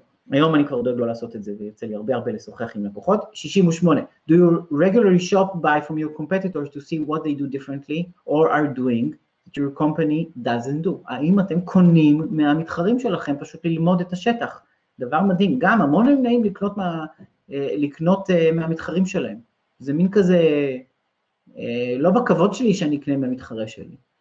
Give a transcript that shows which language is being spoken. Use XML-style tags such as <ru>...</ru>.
<he>היום אני כבר דואג לא לעשות את זה, ויוצא לי הרבה הרבה לשוחח עם לקוחות. 68.</he> <en>Do you regularly shop by from your competitors to see what they do differently or are doing? your company doesn't do.</en> <he>האם אתם קונים מהמתחרים שלכם פשוט ללמוד את השטח? דבר מדהים. גם המון הם נעים לקנות, לקנות מהמתחרים שלהם. זה מין כזה, לא בכבוד שלי שאני אקנה מהמתחרה שלי.</he>